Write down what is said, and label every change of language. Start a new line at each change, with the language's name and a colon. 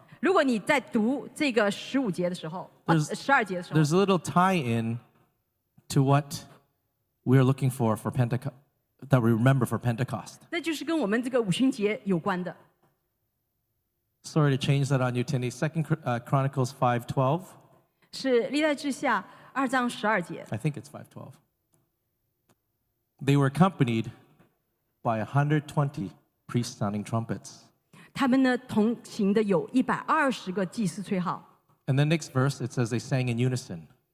Chinese: 如果你在读这个15节的时候,
English: there's a little tie-in to what we are looking for Pentecost, that we remember for Pentecost.
Chinese: 那就是跟我们这个五旬节有关的。
English: Sorry to change that on you, Tindy. 2 Chronicles 5:12.
Chinese: 是历代志下2章12节。
English: I think it's 5:12. They were accompanied by 120 priests sounding trumpets.
Chinese: 他们呢同行的有120个祭司吹号。
English: And the next verse, it says they sang in unison.